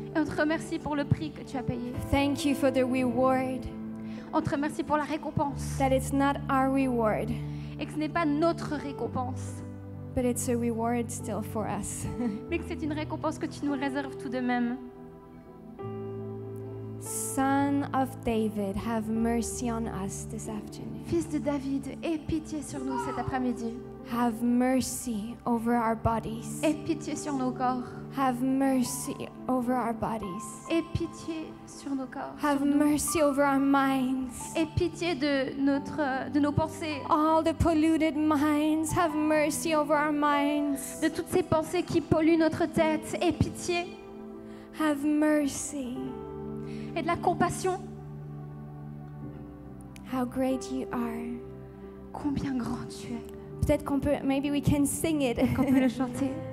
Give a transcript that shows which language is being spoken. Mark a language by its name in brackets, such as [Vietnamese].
[French] Et on te remercie pour le prix que tu as payé. [English] Thank you for the reward. [French] On te remercie pour la récompense. [English] That it's not our reward. [French] Et que ce n'est pas notre récompense. [English] But it's a reward still for us. [French] Mais que c'est une récompense que tu nous réserves tout de même. [English] Son of David, have mercy on us this afternoon. [French] Fils de David, aie pitié sur nous cet après-midi. [English] Have mercy over our bodies. [French] Aie pitié sur nos corps. [English] Have mercy over our bodies. [French] Aie pitié sur nos corps. [English] Have mercy over our minds. [French] Aie pitié de nos pensées. [English] All the polluted minds, have mercy over our minds. [French] De toutes ces pensées qui polluent notre tête, aie pitié. [English] Have mercy. [French] Et de la compassion. [English] How great you are. [French] Combien grand tu es. Peut-être qu'on peut, [English] maybe we can sing it. [French] Qu'on peut le chanter.